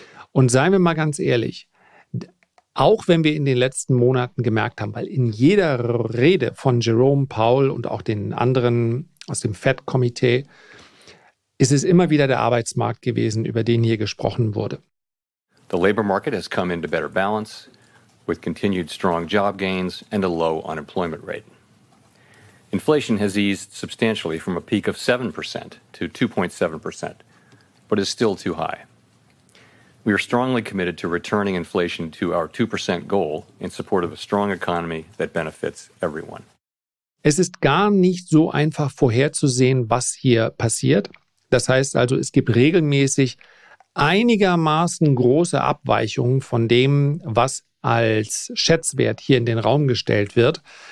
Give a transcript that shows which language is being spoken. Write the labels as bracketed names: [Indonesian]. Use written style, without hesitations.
[German] Und seien wir mal ganz ehrlich, auch wenn wir in den letzten Monaten gemerkt haben, weil in jeder Rede von Jerome Powell und auch den anderen aus dem Fed-Komitee, ist es immer wieder der Arbeitsmarkt gewesen, über den hier gesprochen wurde. [English] The labor market has come into better balance with continued strong job gains and a low unemployment rate. Inflation has eased substantially from a peak of 7% to 2.7%, but is still too high. We are strongly committed to returning inflation to our 2% goal in support of a strong economy that benefits everyone. [German] Es ist gar nicht so einfach vorherzusehen, was hier passiert. Das heißt also, es gibt regelmäßig einigermaßen große Abweichungen von dem, was als Schätzwert hier in den Raum gestellt wird.